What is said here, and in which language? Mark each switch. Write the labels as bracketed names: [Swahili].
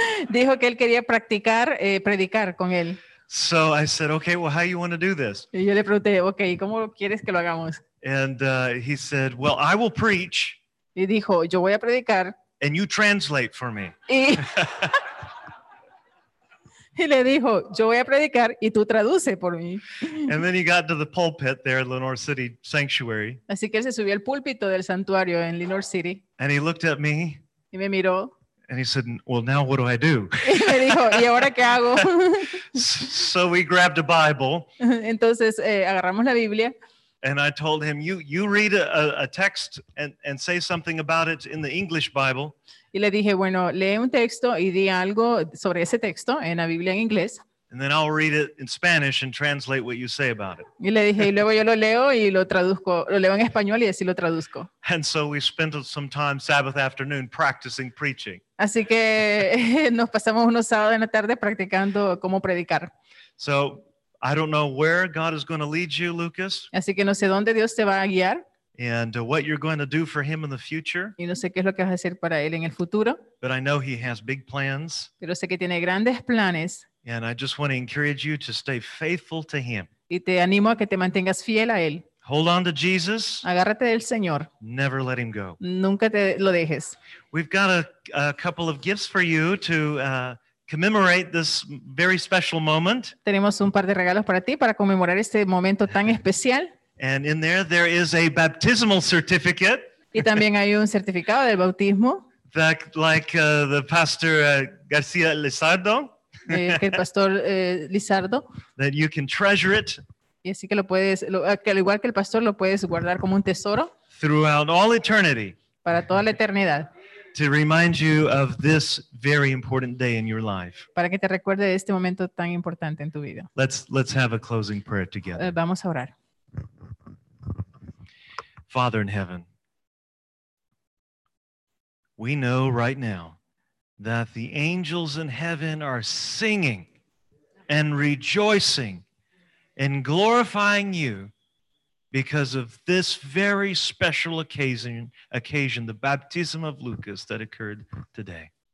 [Spanish] Dijo que él quería practicar, predicar con él. [English] So I said, okay, well, how do you want to do this? [Spanish] Y yo le pregunté, okay, ¿cómo quieres que lo hagamos? [English] And he said, well, I will preach. [Spanish] Y dijo, yo voy a predicar. [English] And you translate for me. [Spanish] Y le dijo, yo voy a predicar y tú traduce por mí. [English] And then he got to the pulpit there at Lenore City Sanctuary. [Spanish] Así que él se subió al púlpito del santuario en Lenore City. [English] And he looked at me. [Spanish] Y me miró. [English] And he said, well, now what do I do? [Spanish] Y me dijo, ¿y ahora qué hago? [English] So we grabbed a Bible. [Spanish] Entonces agarramos la Biblia. [English] And I told him, you read a text and say something about it in the English Bible. [Spanish] Y le dije, bueno, lee un texto y di algo sobre ese texto en la Biblia en inglés. [English] And then I'll read it in Spanish and translate what you say about it. [Spanish] Y le dije, y luego yo lo leo y lo traduzco, lo leo en español y así lo traduzco. [English] And so we spent some time Sabbath afternoon practicing preaching. [Spanish] Así que nos pasamos unos sábados en la tarde practicando cómo predicar. [English] So I don't know where God is going to lead you, Lucas. [Spanish] Así que no sé dónde Dios te va a guiar. [English] And what you're going to do for him in the future. [Spanish] Y no sé qué es lo que vas a hacer para él en el futuro. [English] But I know he has big plans. [Spanish] Pero sé que tiene grandes planes. [English] And I just want to encourage you to stay faithful to him. [Spanish] Y te animo a que te mantengas fiel a él. [English] Hold on to Jesus. [Spanish] Agárrate del Señor. [English] Never let him go. [Spanish] Nunca te lo dejes. [English] We've got a couple of gifts for you to commemorate this very special moment. [Spanish] Tenemos un par de regalos para ti para conmemorar este momento tan especial. [English] And in there is a baptismal certificate. [Spanish] Y también hay un certificado del bautismo. [English] That, like the pastor García Lizardo. [Spanish] El pastor Lizardo. [English] That you can treasure it. [Spanish] Y así que lo puedes, al igual que el pastor, lo puedes guardar como un tesoro. [English] Throughout all eternity. [Spanish] Para toda la eternidad. [English] To remind you of this very important day in your life. [Spanish] Para que te recuerde de este momento tan importante en tu vida. [English] Let's have a closing prayer together. [Spanish] Vamos a orar. [English] Father in heaven, we know right now that the angels in heaven are singing and rejoicing and glorifying you because of this very special occasion, the baptism of Lucas that occurred today.